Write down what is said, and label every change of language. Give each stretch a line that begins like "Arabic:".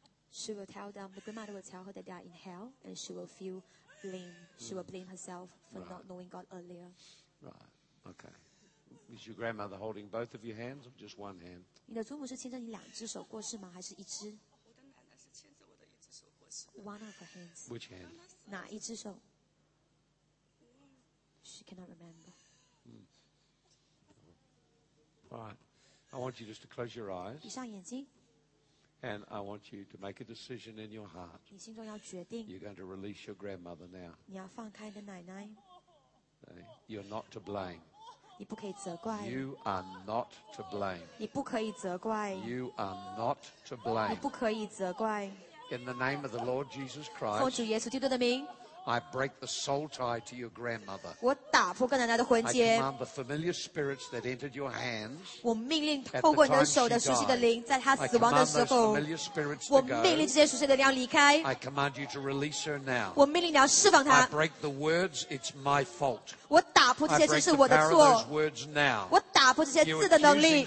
English: She will tell them, the grandmother will tell her that they are in hell, and she will feel blame. She will blame herself for not knowing God earlier. Right. Okay. Is your grandmother holding both of your hands or just one hand?
Chinese: 你的祖母是牵着你两只手过世吗？还是一只？我的奶奶是牵着我的一只手过世。
English: One of her hands. Which hand?
Chinese: 哪一只手 ？
English: She cannot remember. Alright, I want you just to close your eyes.
Chinese: 闭上眼睛。
English: And I want you to make a decision in your heart.
Chinese: 你心中要决定。
English: You're going to release your grandmother now.
Chinese: 你要放开你的奶奶。
English: You're not to blame.
Chinese: 你不可以责怪。
English: You are not to blame.
Chinese: 你不可以责怪。
English: You are not to blame.
Chinese: 你不可以责怪。
English: In the name of the Lord Jesus Christ.
Chinese: 奉主耶稣基督的名。
English: I break the soul tie to your grandmother.
Chinese: 我打破跟奶奶的婚结。
English: I command the familiar spirits that entered your hands.
Chinese: 我命令透过你的手的熟悉的灵，在她死亡的时候。
English: I command those familiar spirits to
Chinese: go. 我命令这些熟悉的灵离开。
English: I command you to release her now.
Chinese: 我命令你要释放她。
English: I break the words. It's my fault.
Chinese: 我打破这些字是我的错。我打破这些字的能力。